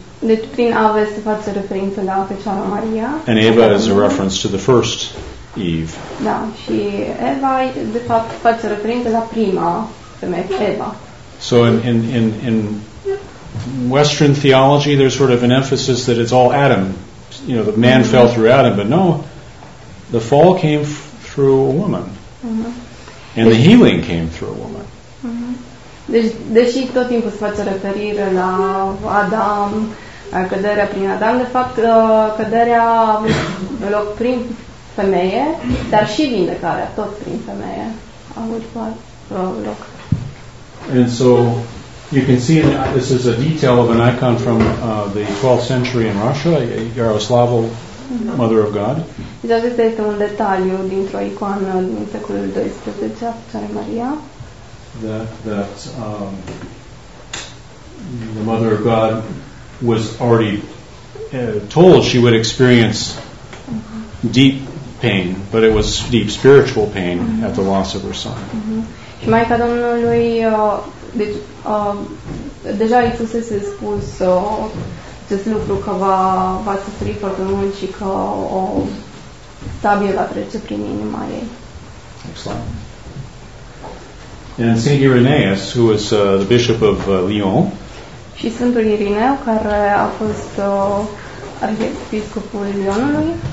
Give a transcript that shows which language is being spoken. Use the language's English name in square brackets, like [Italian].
[Romanian] Deci prin Ave se face referință la Fecioara Maria. [English] And Eva is a reference to the first Eve. [Romanian] Da, și Eva de fapt face referință la prima femeie, Eva. [English] So in Western theology there's sort of an emphasis that it's all Adam. You know, the man mm-hmm. fell through Adam, but no, the fall came through a woman. Mm-hmm. And the healing came through a woman. Mm-hmm. [Romanian] Deci, deși tot timpul se face referire la Adam, căderea prin Adam, de fapt, căderea a avut loc prin femeie, dar și vindecarea, tot prin femeie, a avut loc. [English] And so, you can see, this is a detail of an icon from the 12th century in Russia, Yaroslavl, Mother of God. [Romanian] Deci acesta este un detaliu dintr-o icoană din secolul XII, Fecioară Maria. [English] That the Mother of God was already told she would experience deep pain, but it was deep spiritual pain at the loss of her son. [Romanian] Și Maica Domnului, deci deja îi fusese spus acest lucru că va suferi foarte mult și că o sabie va trece prin inima ei. [English] Excellent. And Saint Irenaeus, who was the bishop of Lyon. [Romanian] Și Sfântul Irineu, care a fost arhiepiscopul Lyonului.